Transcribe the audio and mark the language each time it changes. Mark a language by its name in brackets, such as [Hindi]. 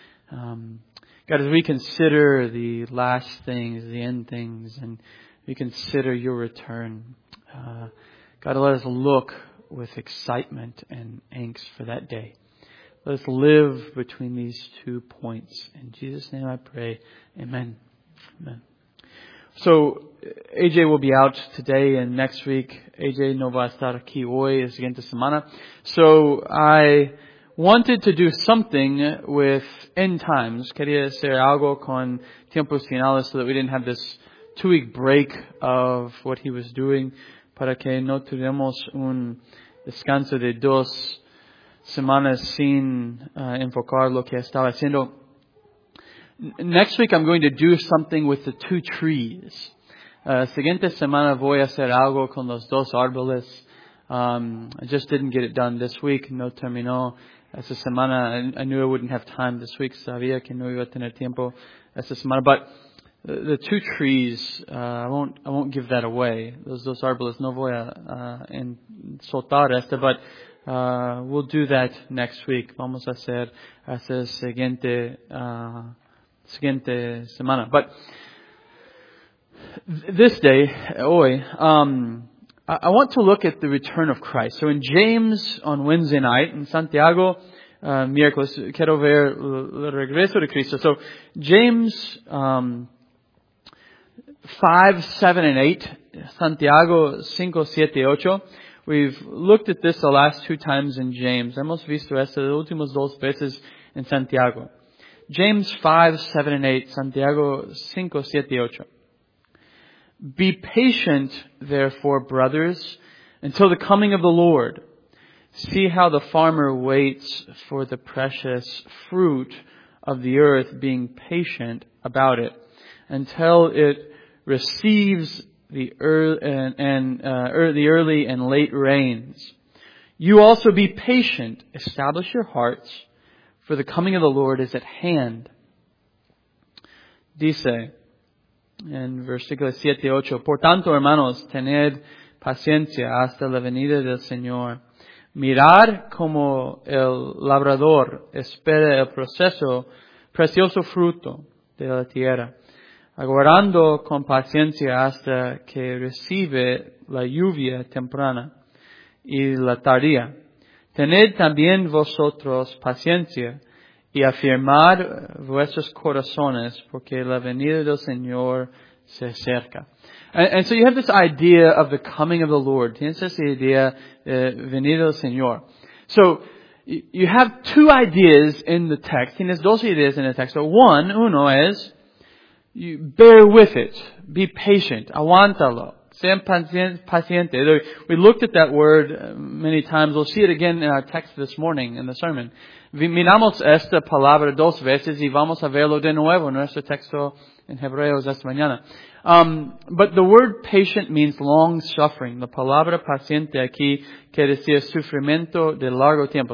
[English] God, as we consider the last things, the end things, and we consider your return, God, let us look with excitement and angst for that day. Let us live between these two points. In Jesus' name I pray. Amen. Amen. So AJ will be out today and next week. [Spanish] AJ no va a estar aquí hoy, la siguiente semana. [English] So I wanted to do something with end times. [Spanish] Quería hacer algo con tiempos finales [English] so that we didn't have this 2-week break of what he was doing. [Spanish] Para que no tuviéramos un descanso de dos semanas sin enfocar lo que estaba haciendo. [English] Next week I'm going to do something with the two trees. [Spanish] Siguiente semana voy a hacer algo con los dos árboles. [English] I just didn't get it done this week. [Spanish] No terminó esa semana. [English] I knew I wouldn't have time this week. [Spanish] Sabía que no iba a tener tiempo esa semana. [English] But the two trees, I won't give that away. Those [Spanish] árboles no voy a soltar esta, [English] but we'll do that next week. [Spanish] Vamos a hacer esa siguiente semana. [English] But this day, hoy, I want to look at the return of Christ. So in James on Wednesday night, [Spanish] in Santiago, miércoles, quiero ver el regreso de Cristo. [English] So James 5, 7, and 8, Santiago 5, 7, 8. We've looked at this the last two times in James. [Spanish] Hemos visto esto las últimas dos veces en Santiago. [English] James 5, 7, and 8, Santiago 5, 7, 8. Be patient, therefore, brothers, until the coming of the Lord. See how the farmer waits for the precious fruit of the earth, being patient about it, until it receives the early and late rains. You also be patient, establish your hearts, for the coming of the Lord is at hand. [Spanish] Dice, en versículo 7 y 8, por tanto, hermanos, tened paciencia hasta la venida del Señor. Mirad como el labrador espera el proceso, precioso fruto de la tierra, aguardando con paciencia hasta que recibe la lluvia temprana y la tardía. Tened también vosotros paciencia y afirmad vuestros corazones, porque la venida del Señor se acerca. [English] And so you have this idea of the coming of the Lord. [Spanish] Tienes esa idea de venida del Señor. [English] So you have two ideas in the text. [Spanish] Tienes dos ideas en el texto. Uno es, [English] you bear with it. Be patient. [Spanish] Aguántalo. Sean paciente. [English] We looked at that word many times. We'll see it again in our text this morning in the sermon. [Spanish] Miramos esta palabra dos veces y vamos a verlo de nuevo en nuestro texto en Hebreos esta mañana. [English] But the word patient means long suffering. [Spanish] La palabra paciente aquí quiere decir sufrimiento de largo tiempo.